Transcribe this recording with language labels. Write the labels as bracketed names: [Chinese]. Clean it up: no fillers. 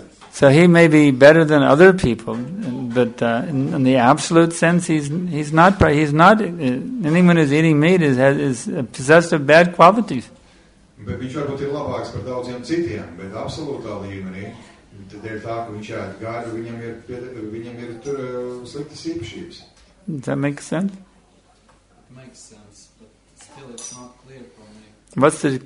[English] So he may be better than other people, but in the absolute sense, he's not. Anyone who's eating meat is possessed of bad qualities. [Latvian] Bet viņš varbūt ir labāks par daudziem citiem, bet absolūtā līmenī, tad ir tā, ka viņš ēd gaļu, viņam ir tur sliktas īpašības. [English] Does that make sense? Makes sense, but still it's not clear for me.